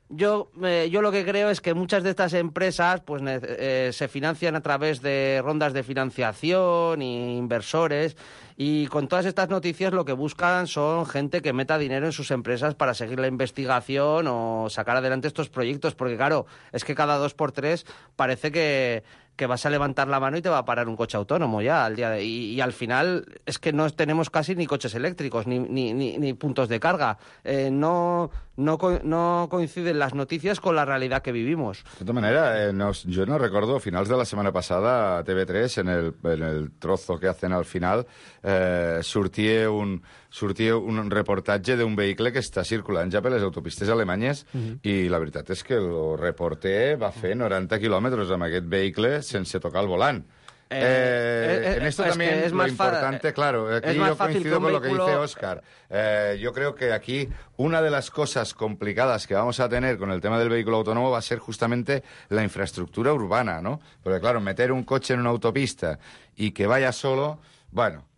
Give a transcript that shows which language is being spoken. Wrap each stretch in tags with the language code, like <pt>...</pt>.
<es>Yo lo que creo es que muchas de estas empresas pues se financian a través de rondas de financiación e inversores, y con todas estas noticias lo que buscan son gente que meta dinero en sus empresas para seguir la investigación o sacar adelante estos proyectos, porque claro, es que cada 2x3 parece que vas a levantar la mano y te va a parar un coche autónomo ya al día de hoy. Y al final es que no tenemos casi ni coches eléctricos ni puntos de carga. No coinciden las noticias con la realidad que vivimos.</es> <ca>De tota manera, jo no recordo, a finals de la setmana passada, a TV3,</ca> <es>en el trozo que hacen al final,</es> <ca>sortia un reportatge d'un vehicle que està circulant ja per les autopistes alemanyes, uh-huh. I la veritat és que el reporter va fer 90 quilòmetres amb aquest vehicle sense tocar el volant.</ca> <es>En esto también es que es lo más importante, claro, aquí yo coincido con lo que dice Óscar. Yo creo que aquí una de las cosas complicadas que vamos a tener con el tema del vehículo autónomo va a ser justamente la infraestructura urbana, ¿no? Porque claro, meter un coche en una autopista y que vaya solo, bueno...</es>